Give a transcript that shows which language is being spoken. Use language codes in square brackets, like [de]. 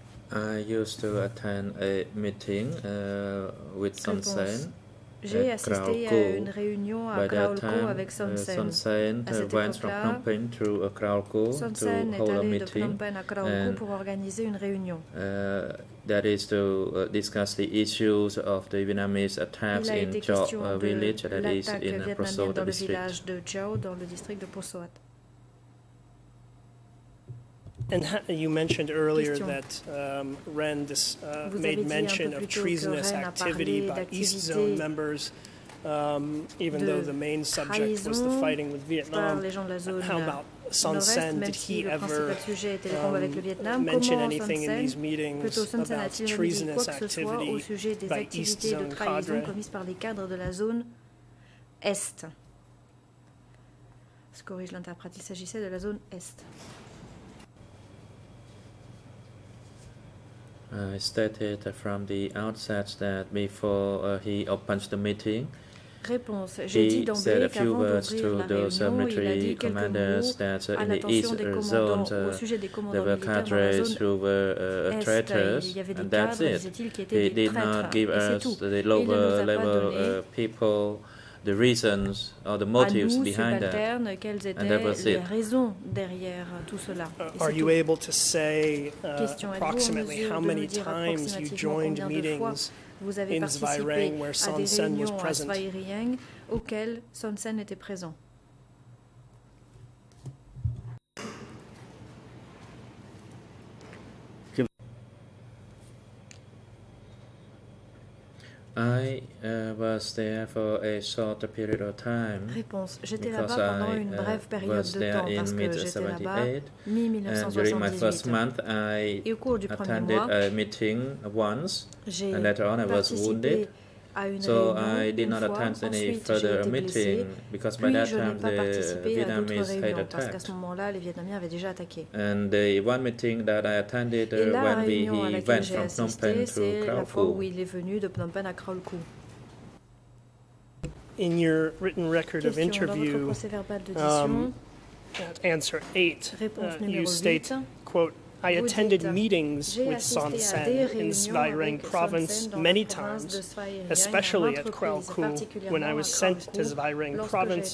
[en] I used to attend a meeting with Son Sen. [fr] J'ai assisté à une réunion à Krauko avec Son Sen. [en] Son Sen went from Phnom Penh to Krauko to hold a meeting. [fr] Son Sen est allé de Phnom Penh à Krauko pour organiser une réunion. [en] That is to discuss the issues of the Vietnamese attacks in Chau village, that is in Prosoat district. [fr] Il a été question de l'attaque vietnamienne dans le village de Chau, dans le district de [en] And you mentioned earlier that Ren made mention of treasonous activity by East Zone members, even though the main subject was the fighting with Vietnam. How about Son Sen? Did he ever mention anything in these meetings about treasonous activity by East Zone cadres? [fr] Commises par les cadres de la zone Est. Je corrige l'interprète, il s'agissait de la zone Est. [en] I stated from the outset that before he opens the meeting, [fr] réponse, [en] he said a few words to those military commanders that in the east zone there were cadres who were traitors, and that's it. He did not give us the lower level people the reasons or the motives behind that. And that was it. [fr] Raisons derrière tout cela. [en] Are you able to say approximately how many times you joined meetings in Svayrieng where Son Sen was present? [fr] Auquel Son Sen était présent? [en] I was there for a short period of time. [fr] Réponse. J'étais là-bas pendant une brève période de temps parce que j'étais là-bas mi-1978. [en] And during my first month, I attended a meeting once, and later on I was wounded. So I did not attend any further meeting because by that time the Vietnamese had attacked. [fr] Parce qu'à ce moment-là, les Vietnamiens avaient déjà attaqué. [en] And the one meeting that I attended when he went from Phnom Penh to Krau Phu. [fr] Où il est venu de Phnom Penh à Krau Phu. [en] In your written record [fr] question [en] of interview, at answer 8, you state, quote, I attended meetings with Son Sen in Svayrieng province many times, especially at Krau Phu when I was sent to Svayrieng province.